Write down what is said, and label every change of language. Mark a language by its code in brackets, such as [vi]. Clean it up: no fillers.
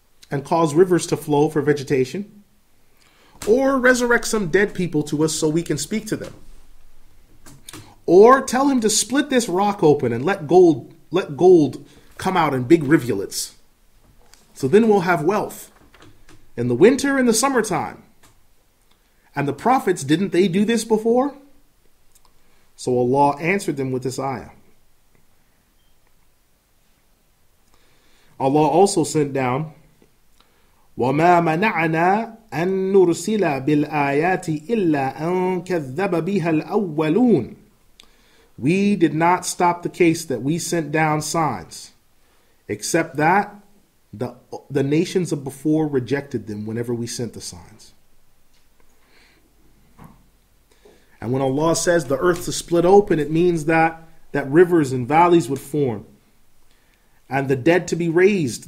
[en] and cause rivers to flow for vegetation, or resurrect some dead people to us so we can speak to them, or tell him to split this rock open and let gold come out in big rivulets. So then we'll have wealth in the winter and the summertime. And the prophets, didn't they do this before? So Allah answered them with this ayah. Allah also sent down, [ar] وَمَا مَنَعَنَا أَن نُرْسِلَ بِالْآيَاتِ إِلَّا أَن كَذَّبَ بِهَا الْأَوَّلُونَ. [en] We did not stop the case that we sent down signs, except that the nations of before rejected them whenever we sent the signs. And when Allah says the earth to split open, it means that rivers and valleys would form, and the dead to be raised.